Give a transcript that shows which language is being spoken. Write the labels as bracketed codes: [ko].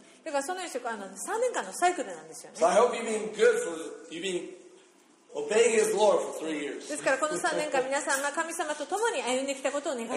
[ja] だからそのように3年間のサイクルなんですよね。 [en] So I hope you've been good for, you've been obeying His Lord for three years. [ja] ですからこの3年間皆さんが神様と共に歩んできたことを願います。